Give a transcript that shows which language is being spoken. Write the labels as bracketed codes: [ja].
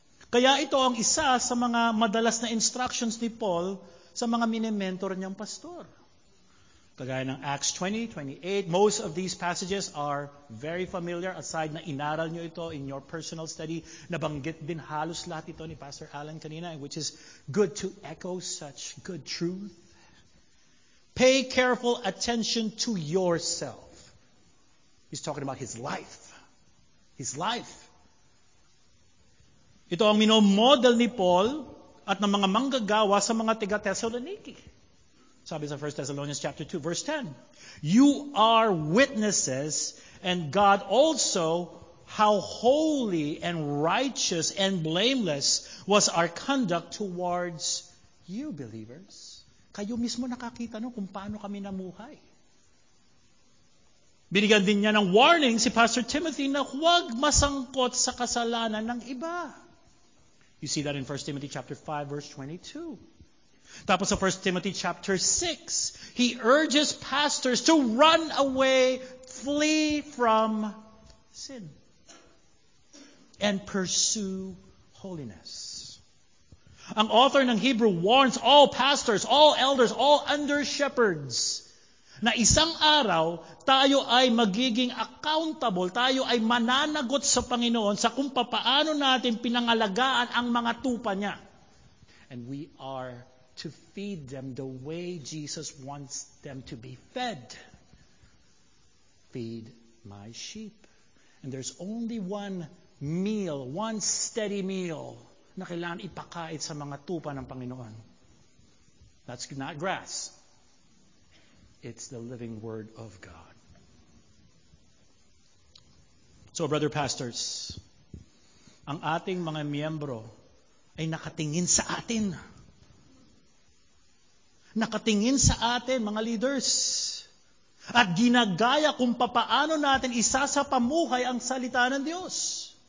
[tl] Kaya ito ang isa sa mga madalas na instructions ni Paul sa mga mini-mentor niyang pastor. [en] Kagaya ng Acts 20, 28, most of these passages are very familiar aside na inaral niyo ito in your personal study. [tl] Nabanggit din halos lahat ito ni Pastor Alan kanina, which is good to echo such good truth. [en] Pay careful attention to yourself. He's talking about his life. His life. [tl] Ito ang minomodel ni Paul at ng mga manggagawa sa mga taga-Thessaloniki. Sabi sa 1 Thessalonians chapter 2, verse 10. [en] You are witnesses, and God also, how holy and righteous and blameless was our conduct towards you, believers. [tl] Kayo mismo nakakita nung kung paano kami namuhay. Binigyan din niya ng warning si Pastor Timothy na huwag masangkot sa kasalanan ng iba. [en] You see that in 1 Timothy chapter 5, verse 22. Tapos sa 1 Timothy chapter 6, he urges pastors to run away, flee from sin, and pursue holiness. [tl] Ang author ng Hebrew warns all pastors, all elders, all under-shepherds na isang araw, tayo ay magiging accountable, tayo ay mananagot sa Panginoon sa kung papaano natin pinangalagaan ang mga tupa niya. [en] And we are to feed them the way Jesus wants them to be fed. Feed my sheep. And there's only one meal, one steady meal na kailangan ipakait sa mga tupa ng Panginoon. That's not grass. It's the living Word of God. [tl] So, brother pastors, ang ating mga miyembro ay nakatingin sa atin. Nakatingin sa atin, mga leaders. At ginagaya kung papaano natin isasapamuhay ang salita ng Diyos.